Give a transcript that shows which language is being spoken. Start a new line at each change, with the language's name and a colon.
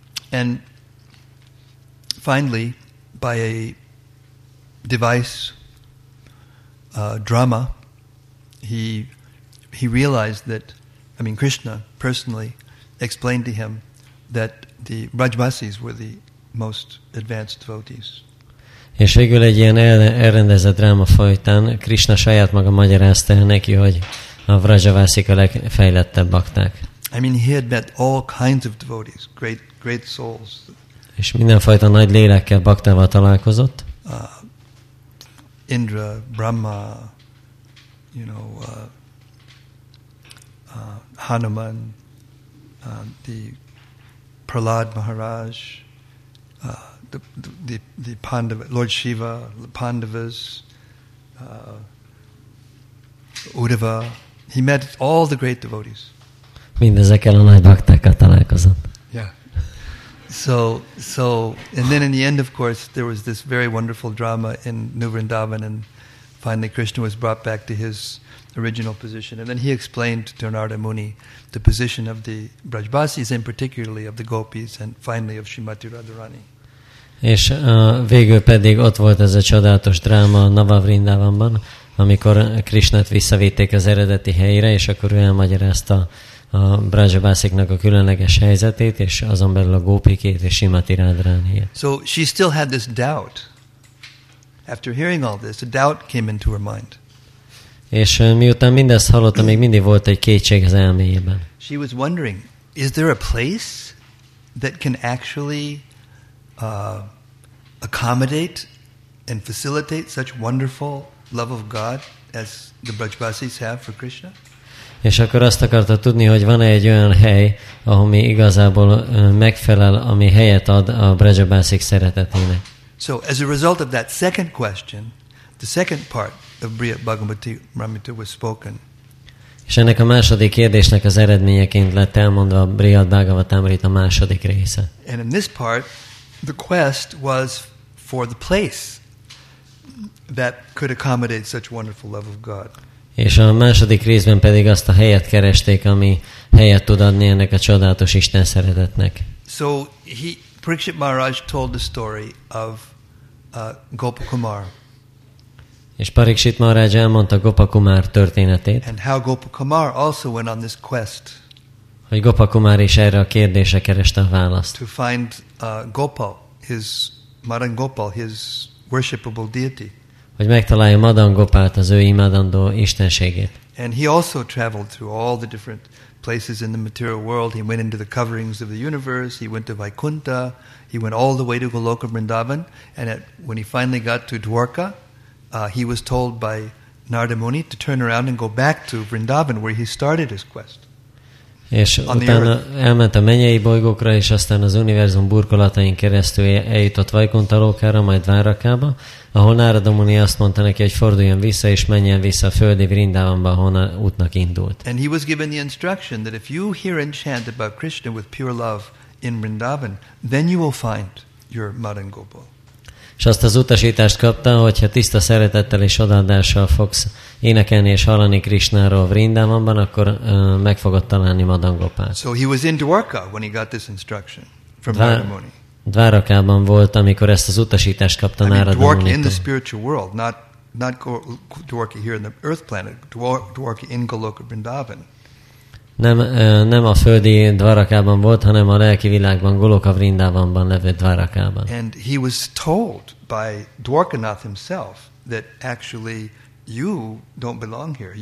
English: And finally, by a device, drama, he realized that, I mean, Krishna personally explained to him that the Rajvasis were the most advanced devotees.
Hungarian: És végül egy ilyen elrendezett dráma folytán Krishna saját maga magyarázta neki, hogy a Rajvasik a legfejlettebb bakták.
English: I mean, he had met all kinds of devotees, great souls.
Hungarian: És mindenfajta nagy lélekkel, baktával találkozott.
English: Indra, Brahma, you know, Hanuman, the Prahlad Maharaj, the Pandava, Lord Shiva, the Pandavas, Uddhava. He met all the great devotees.
Hungarian: Mindezekkel a nagy baktákkal találkozott.
English: So, and then in the end, of course, there was this very wonderful drama in New Vrindavan, and finally Krishna was brought back to his original position. And then he explained to Narada Muni the position of the Brajbasis, and particularly of the gopis, and finally of Srimati Radharani.
Hungarian: És végül pedig ott volt ez a csodálatos dráma Navavrindavanban, amikor Krishnát visszavitték az eredeti helyre, és akkor ő elmagyarázta a Brajabásziknak a különleges helyzetét, és azon belül a gópikét és Simati Rádrániét.
English: So she still had this doubt. After hearing all this, a doubt came into her mind.
Hungarian: És miután mindezt hallotta, még mindig volt egy kétség az elméjében.
English: She was wondering, is there a place that can actually accommodate and facilitate such wonderful love of God as the Brajabásis have for Krishna?
Hungarian: És akkor azt akarta tudni, hogy van-e egy olyan hely, ahol igazából megfelel, ami helyet ad a Brajabásik szeretetének.
English: So as a result of that second question, the second part of Brihad Bhagavatam Rita was spoken.
Hungarian: És ennek a második kérdésnek az eredményeként lett elmondva a Brihad Bhagavatam Rita második része.
English: And in this part, the quest was for the place that could accommodate such wonderful love of God.
Hungarian: És a második részben pedig azt a helyet keresték, ami helyet tud adni ennek a csodálatos Isten szeretetnek.
English: So he, Parikshit Maharaj told the story of Gopakumar.
Hungarian: És Parikshit Maharaj elmondta Gopakumar történetét.
English: And how Gopakumar also went on this quest.
Hungarian: Hogy Gopakumar is erre a kérdésre kereste a választ.
English: To find Gopal, his Madan Gopal, his worshipable deity.
Hungarian: Hogy megtalálja Madan Gopalt, az ő imádandó istenségét.
English: And he also traveled through all the different places in the material world. He went into the coverings of the universe, he went to Vaikuntha, he went all the way to Goloka Vrindavan, and when he finally got to Dwarka, he was told by Narada Muni to turn around and go back to Vrindavan where he started his quest.
Hungarian: És utána elment a mennyei bolygókra, és aztán az univerzum burkolatain keresztül eljutott Vaikuntha-lókára, majd Várakába, ahol Narada Muni azt mondta neki, hogy forduljon vissza, és menjen vissza a földi Vrindavanba, honnan útnak indult.
English: And he was given the instruction that if you hear and chant about Krishna with pure love in Vrindavan, then you will find your Madan Gopal.
Hungarian: És azt az utasítást kapta, hogyha tiszta szeretettel és odaadással fogsz énekelni és hallani Krishnáról Vrindavanban, akkor meg fogod találni Madan Gopalt.
English: So he was in Dvarka when he got this instruction from Narada Muni.
Hungarian: Dvarakában volt, amikor ezt az utasítást kapta Narada
English: Muni. Dvarka in the spiritual world, not Dvarka here in the earth planet, Dvarka in Goloka Vrindavan.
Hungarian: Nem a földi Dvarakában volt, hanem a lelki világban, Goloka Vrindavanban levő Dvarakában.
English: And he was told by Dwarkanath himself that actually you don't belong here.